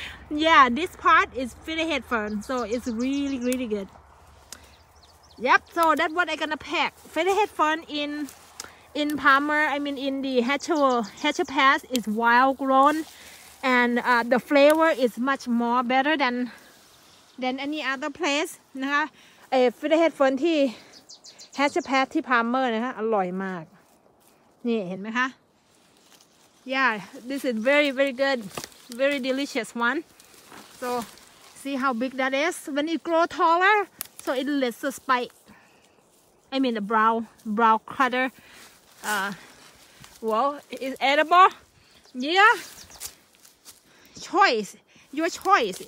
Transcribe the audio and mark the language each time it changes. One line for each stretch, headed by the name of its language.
English: Yeah, this part is fiddlehead fern. So it's really, really good. Yep, so that's what I'm gonna pack. Fiddlehead fern in Palmer, I mean in the Hatcher Pass is wild grown. And the flavor is much more better than any other place.
Thai: นะคะ Fiddlehead fern ที่ Hatcher Pass ที่ Palmer นะคะอร่อยมากนี่เห็นไหมคะ
English: Yeah, this is very very good. Very delicious one. So, see how big that is? When it grow tallerSo it lets the spike, I mean the brown cutter, well, it's edible. Yeah, choice, your choice.